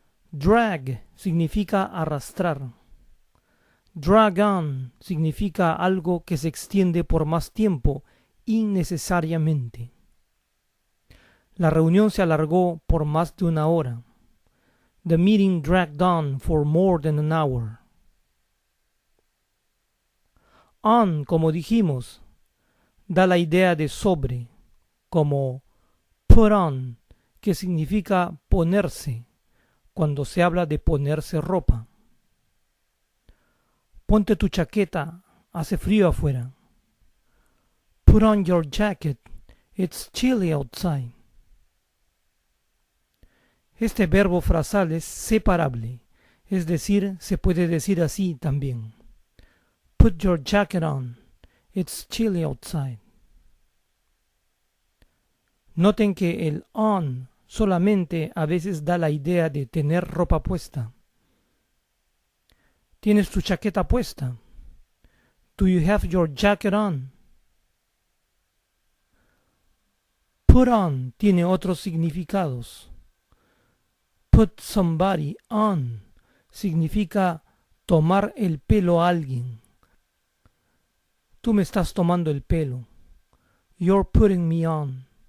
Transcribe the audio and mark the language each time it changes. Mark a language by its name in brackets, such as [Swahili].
[Spanish] Drag significa arrastrar. Drag on significa algo que se extiende por más tiempo innecesariamente. La reunión se alargó por más de una hora. [English] The meeting dragged on for more than an hour. [Spanish] On, como dijimos, da la idea de sobre, como put on, que significa ponerse, cuando se habla de ponerse ropa. Ponte tu chaqueta, hace frío afuera. [English] Put on your jacket, it's chilly outside. [Spanish] Este verbo frasal es separable, es decir, se puede decir así también. [English] Put your jacket on, it's chilly outside. [Spanish] Noten que el on solamente a veces da la idea de tener ropa puesta. ¿Tienes tu chaqueta puesta? [English] Do you have your jacket on? [Spanish] Put on tiene otros significados. Put somebody on significa tomar el pelo a alguien. Tú me estás tomando el pelo. [English] You're putting me on.